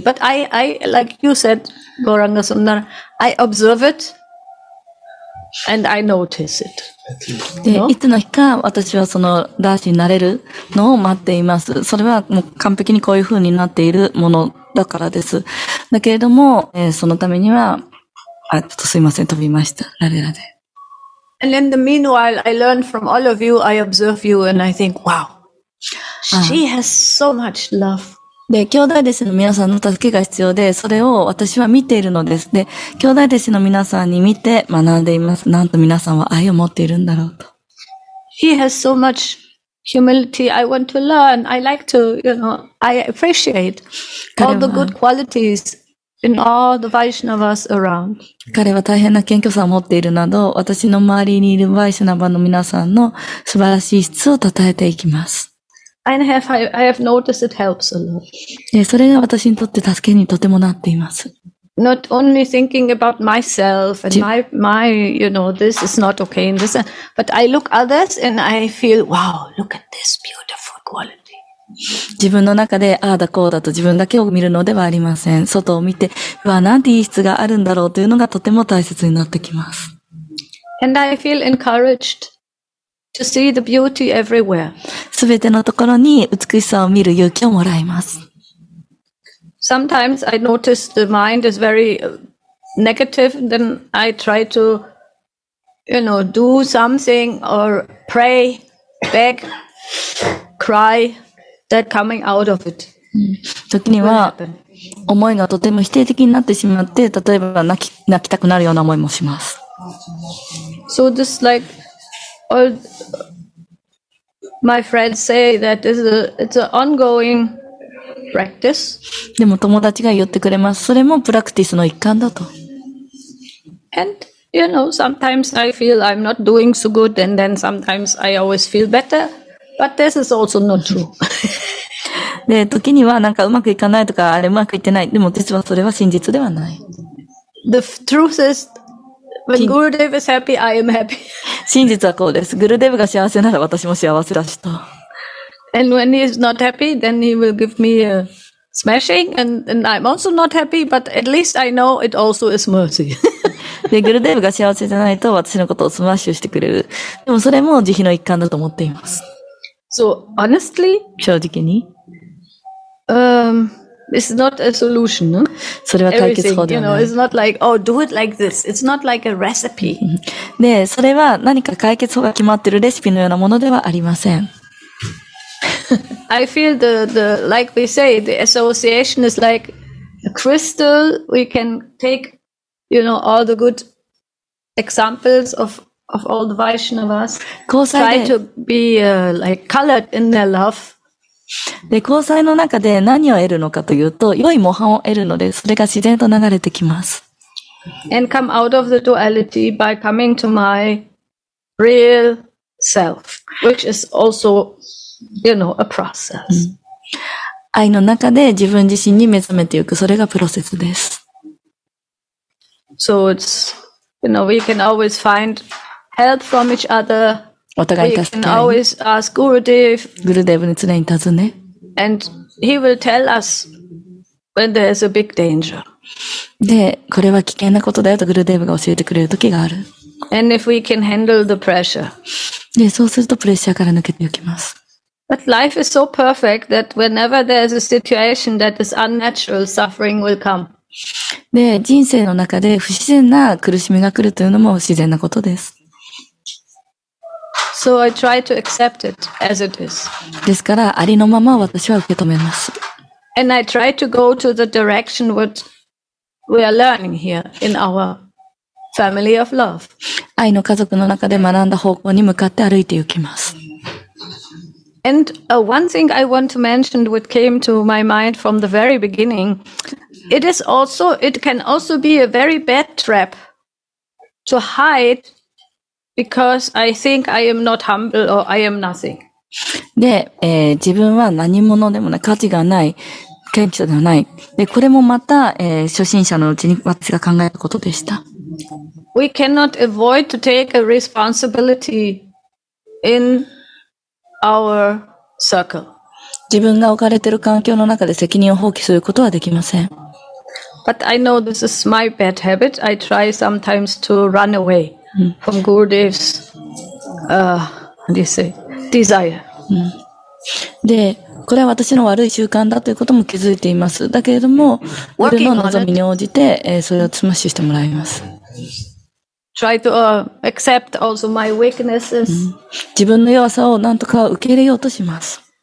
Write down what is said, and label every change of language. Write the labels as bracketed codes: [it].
[en] But I like you said, Gauranga Sundar, I observe it and I notice it. [ja] でいつの日か私はそのダーシーになれるのを待っています。それはもう完璧にこういう風になっているものだからです。だけれども、そのためにはあちょっとすいません飛びましたラレラで。 [en] And in the meanwhile I learned from all of you, I observe you and I think wow, she has so much love. [ja] で、兄弟弟子の皆さんの助けが必要で、それを私は見ているのです。で、兄弟弟子の皆さんに見て学んでいます。なんと皆さんは愛を持っているんだろうと。 [en] He has so much humility. I want to learn. I like to, you know, I appreciate all the good qualities in all the Vaishnavas around. [ja] 彼は大変な謙虚さを持っているなど、私の周りにいるヴァイシナヴァの皆さんの素晴らしい質を称えていきます。 [en] I have noticed it helps a lot. [ja] それが私にとって助けにとてもなっています。 [en] Not only thinking about myself and my, you know, this is not okay and this, but I look others and I feel, wow, look at this beautiful quality. [ja] 自分の中でああだこうだと自分だけを見るのではありません。外を見て、わあ、なんていい質があるんだろうというのがとても大切になってきます。 [en] And I feel encouraged. To see the beauty everywhere. [ja] 全てのところに美しさを見る勇気をもらいます。 [en] Sometimes I notice the mind is very negative, then I try to, you know, do something or pray, beg, cry, that coming out of it. [ja] 時には思いがとても否定的になってしまって、例えば泣きたくなるような思いもします。 [en] So this like,All my friends say that it's an ongoing practice. [ja] でも友達が言ってくれます。それもプラクティスの一環だと。 [en] And you know, sometimes I feel I'm not doing so good, and then sometimes I always feel better. But this is also not true. [ja] で、時にはなんかうまくいかないとかあれうまくいってない。でも実はそれは真実ではない。 [en] The truth is. When Gurudev is happy, I am happy. [ja] 真実はこうです。グルデブが幸せなら私も幸せだしと。 [en] And when he is not happy, then he will give me a smashing, and I'm also not happy, but at least I know it also is mercy. [ja] で、グルデーブが幸せじゃないと私のことをスマッシュしてくれる。でもそれも慈悲の一環だと思っています。 [en] So, honestly, [ja] 正直に、 [en] It's not a solution, no? [ja] それは解決法ではない。 [en] Everything, you know, it's not like, oh, do it like this. It's not like a recipe. [ja] で、それは何か解決法が決まっているレシピのようなものではありません。 [en] I feel the, like we say, the association is like a crystal we can take. You know, all the good examples of all the Vaishnavas try to be、like colored in their love. [ja] で、交際の中で何を得るのかというと、良い模範を得るので、それが自然と流れてきます。 [en] And come out of the duality by coming to my real self, which is also, you know, a process.、う [ja] ん、愛の中で自分自身に目覚めていく、それがプロセスです。 [en] So it's, you know, we can always find help from each other. [ja] お互い助け合い。 [en] We can always ask Gurudev. [ja] Gurudev に常に尋ね。 [en] And he will tell us when there's a big danger. [ja] で、これは危険なことだよと Gurudev が教えてくれる時がある。 [en] And if we can handle the pressure. [ja] で、そうするとプレッシャーから抜けていきます。 [en] But life is so perfect that whenever there's a situation that is unnatural, suffering will come. [ja] で、人生の中で不自然な苦しみが来るというのも自然なことです。 [en] So I try to accept it as it is. [ja] ですから、ありのまま私は受け止めます。 [en] And I try to go to the direction what we are learning here in our family of love. [ja] 愛の家族の中で学んだ方向に向かって歩いて行きます。 [en] And、one thing I want to mention which came to my mind from the very beginning,It is also, it can also be a very bad trap to hide because I think I am not humble or I am nothing. [ja] で、自分は何者でもない、価値がない、謙虚ではない。で、これもまた、初心者のうちに私が考えたことでした。 [en] We cannot avoid to take a responsibility in our circle. [ja] 自分が置かれている環境の中で責任を放棄することはできません。 [en] But I know this is my bad habit. I try sometimes to run away from Gurudev's, how do you say, desire. [ja] で、これは私の悪い習慣だということも気づいています。だけれども、俺の望みに応じて、それをスマッシュしてもらいます。 [en] Try to, accept also my weaknesses. [ja] 自分の弱さを何とか受け入れようとします。